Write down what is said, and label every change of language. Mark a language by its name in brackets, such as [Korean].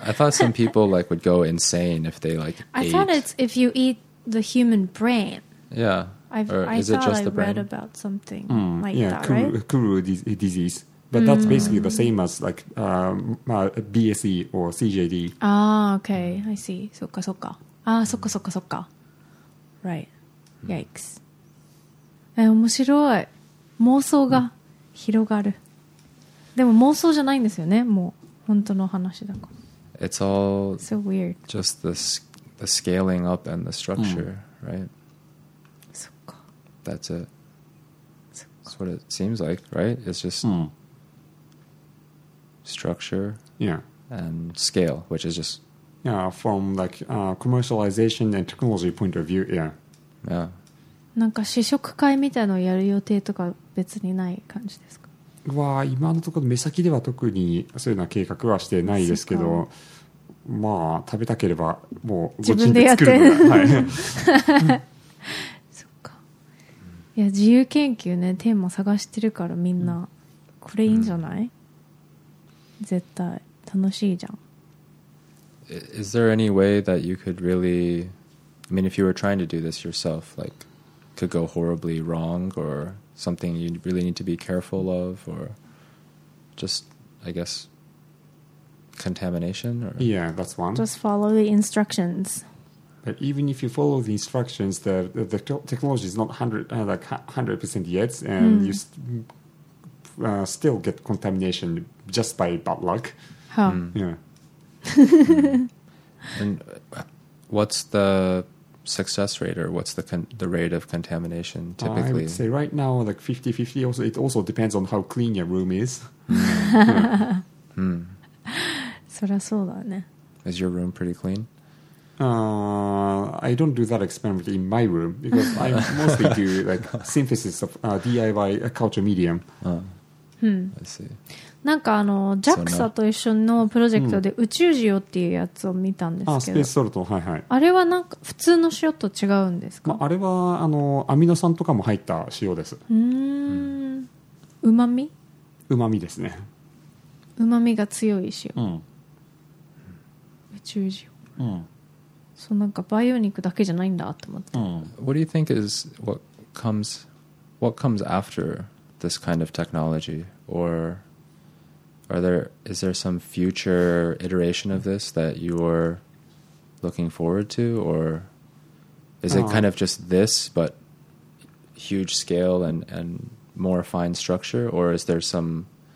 [English] I thought some people like would go insane if they like ate. I thought it's if you eat the human brain. Yeah. I thought I read about something like that, Kuru, right? Kuru disease. But that's basically the same as like BSE or CJD. Ah, okay. I see. [Japanese] そっかそっか。ああ、そっかそっかそっか。 [English] Right. Yikes. [Japanese] 面白い。妄想が広がる。でも妄想じゃないんですよね。もう本当の話だから。 [English] It's all so weird. Just the scaling up and the structure, right? [Japanese] そっか。 [English] That's it. That's what it seems like, right? It's just structure, and scale, which is just from like commercialization and technology point of view, [Japanese] なんか試食会みたいのをやる予定とか別にない感じですか？わあ、今のところ目先では特にそういうな計画はしてないですけど、まあ食べたければもう自分でやって、はい、そっか。いや、自由研究ね、テーマ探してるからみんなこれいいんじゃない？絶対楽しいじゃん。 [English] Is there any way that you could really, I mean, if you were trying to do this yourself, like, could go horribly wrong or something you really need to be careful of, or just, I guess, contamination? Or? Yeah, that's one. Just follow the instructions. But even if you follow the instructions, the technology is not 100% yet, and you still get contamination just by bad luck. Huh. Yeah. And what's the success rate, or what's the rate of contamination typically? I would say right now like 50-50. Also, it also depends on how clean your room is. [Japanese] そりゃそうだね。 [English] Is your room pretty clean? I don't do that experiment in my room because I mostly do like synthesis of DIY culture medium. I see. [Japanese] なんかあの JAXA と一緒のプロジェクトで宇宙塩っていうやつを見たんですけど、スペースソルト、はいはい、あれはなんか普通の塩と違うんですか？まあ、あれはあのアミノ酸とかも入った塩です。うまみ？うまみですね。うまみが強い塩、宇宙塩、そう、なんか培養肉だけじゃないんだと思って、 [English] What do you think is what comes after this kind of technology? OrIs there some future iteration of this that you're looking forward to, or is it kind of just this but huge scale and more fine structure, or is there some